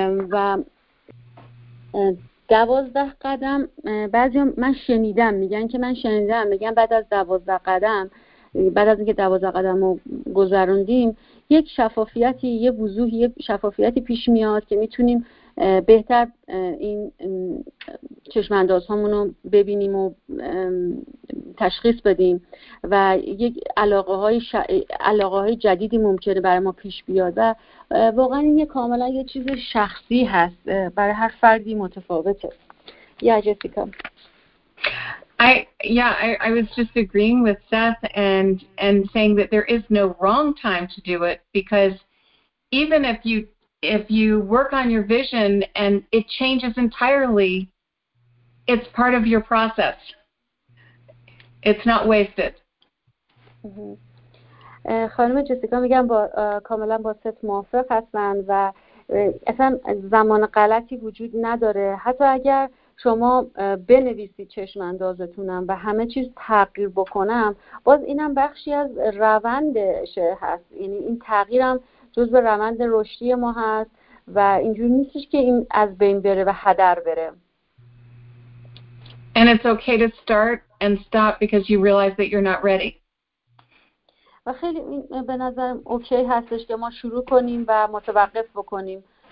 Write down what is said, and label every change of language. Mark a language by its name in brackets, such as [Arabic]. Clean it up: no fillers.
[Persian] و 12 قدم بعضی من شنیدم میگن که من شنیدم میگن بعد از 12 قدم، بعد از اینکه 12 قدم رو گذروندیم، یک شفافیتی، یه وضوح، یه شفافیتی پیش میاد که میتونیم بهتر این چشمانداز هامون رو ببینیم و تشخیص بدیم و یک علاقه های جدیدی ممکنه برای ما پیش بیاد. و واقعا این یه کاملا یه چیز شخصی هست، برای هر فردی متفاوته. یا جسیکا. [English] I was just agreeing with Seth and saying that there is no wrong time to do it, because even if you work on your vision and it changes entirely, it's part of your process. It's not wasted. [Persian] خانم جسیکا میگم با کاملا با ست موافق هستن و اصلا زمان غلطی وجود نداره. حتی اگر شما بنویسید چشم اندازتونم و همه چیز تغییر بکنم، باز اینم بخشی از روندش هست. یعنی این تغییرم جزء روند رشدی ما هست و اینجوری نیستش که این از بین بره و هدر بره. [English] And it's okay to start and stop because you realize that you're not ready. [Persian] و خیلی به نظرم اوکی هستش که ما شروع کنیم و متوقف بکنیم.